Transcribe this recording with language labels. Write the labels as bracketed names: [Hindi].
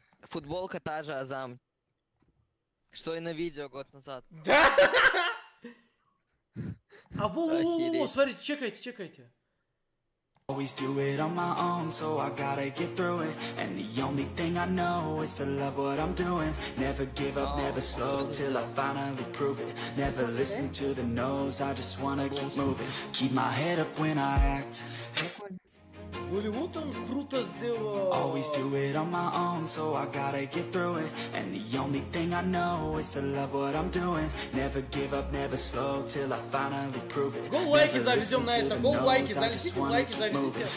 [Russian] Футболка та же, Азам. Что и на видео год назад. Да! А во-во-во-во, смотрите, чекайте. [English] Always do it on my own, so I gotta get through it. And the only thing I know is to love what I'm doing. Never give up, never slow, till I finally prove it. Never listen to the no's, I just wanna keep moving. Keep my head up when I act. [Russian] Голливуд он круто сделал. [English] Always do it on my own, so I gotta get through it. And the only thing I know is to love what I'm doing. Never give up, never slow, till I finally prove it. Never listen to the no's, I just wanna keep moving.